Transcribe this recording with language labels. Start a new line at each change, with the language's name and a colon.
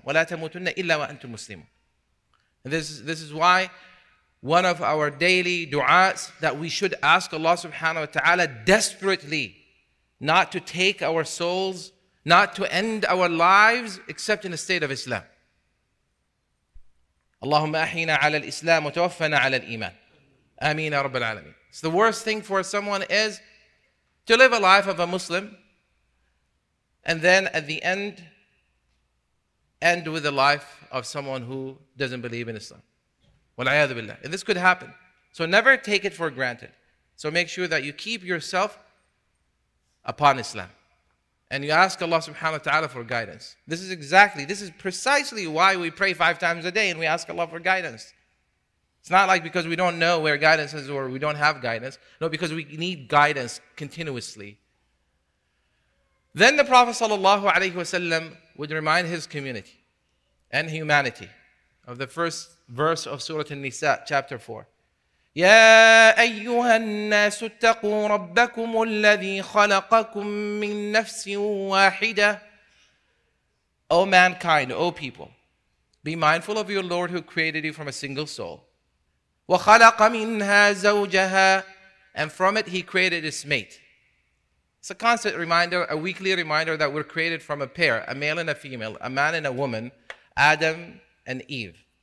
Arabic: وَلَا تَمُوتُنَّ إِلَّا وَأَنْتُمْ مُسْلِمُونَ.
English: And this is why one of our daily du'as that we should ask Allah subhanahu wa ta'ala desperately not to take our souls, not to end our lives except in a state of Islam.
Arabic: اللهم أحينا على الإسلام وتوفنا على الإيمان آمين يا رب العالمين.
English: It's the worst thing for someone is to live a life of a Muslim and then at the end with the life of someone who doesn't believe in Islam.
Arabic: والعياذ بالله.
English: And this could happen. So never take it for granted. So make sure that you keep yourself upon Islam. And you ask Allah subhanahu wa ta'ala for guidance. This is precisely why we pray 5 times a day and we ask Allah for guidance. It's not like because we don't know where guidance is or we don't have guidance. No, because we need guidance continuously. Then the Prophet sallallahu alayhi wasallam would remind his community and humanity of the first verse of Surah An-Nisa, chapter 4.
Arabic: يا أيها الناس اتقوا ربكم الذي خلقكم من نفس واحدة.
English: O mankind, O people, be mindful of your Lord who created you from a single soul.
Arabic: وخلق منها زوجها.
English: And from it He created His mate. It's a constant reminder, a weekly reminder that we're created from a pair, a male and a female, a man and a woman, Adam and Eve.